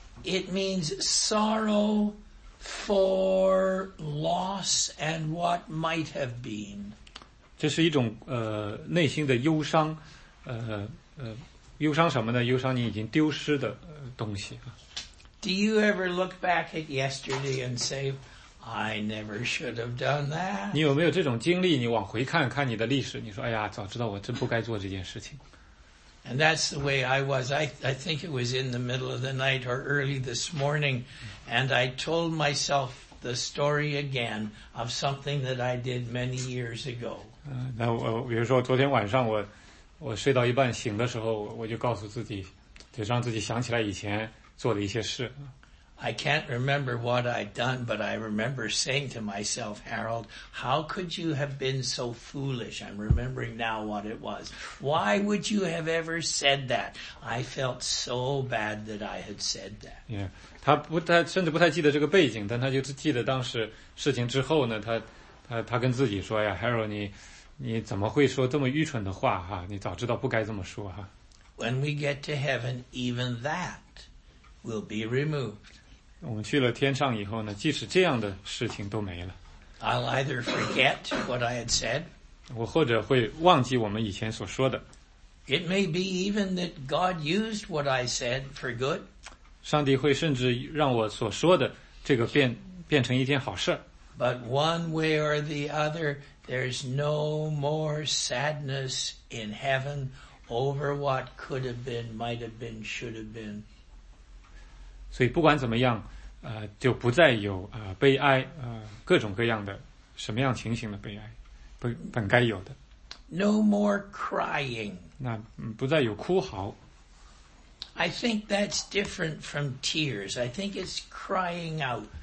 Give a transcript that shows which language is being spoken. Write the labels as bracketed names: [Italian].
[English] it means sorrow for loss and what might have been. [Chinese] 这是一种内心的忧伤，忧伤什么呢？忧伤你已经丢失的东西。 [English] Do you ever look back at yesterday and say, I never should have done that? [Chinese] 你有没有这种经历？你往回看看你的历史，你说，哎呀，早知道我真不该做这件事情。 [English] And that's the way I was. I think it was in the middle of the night or early this morning, and I told myself the story again of something that I did many years ago. [Chinese] 那我比如说昨天晚上我睡到一半醒的时候，我就告诉自己，就让自己想起来以前做的一些事。 [English] I can't remember what I'd done, but I remember saying to myself, Harold, how could you have been so foolish? I'm remembering now what it was. Why would you have ever said that? I felt so bad that I had said that. [Chinese] Yeah, 他不太甚至不太记得这个背景，但他就记得当时事情之后呢，他跟自己说呀 ，Harold， 你怎么会说这么愚蠢的话哈？你早知道不该这么说哈。 [English] When we get to heaven, even that will be removed. [Chinese] 我们去了天上以后呢，即使这样的事情都没了。 [English] I'll either forget what I had said. [Chinese] 我或者会忘记我们以前所说的。 [English] It may be even that God used what I said for good. [Chinese] 上帝会甚至让我所说的这个变成一件好事。 [English] But one way or the other, there's no more sadness in heaven over what could have been, might have been, should have been. [Chinese] 所以不管怎么样，就不再有悲哀，各种各样的什么样情形的悲哀，本该有的。 [English] No more crying. [Chinese] 那不再有哭嚎。 [English] I think that's different from tears. I think it's crying out.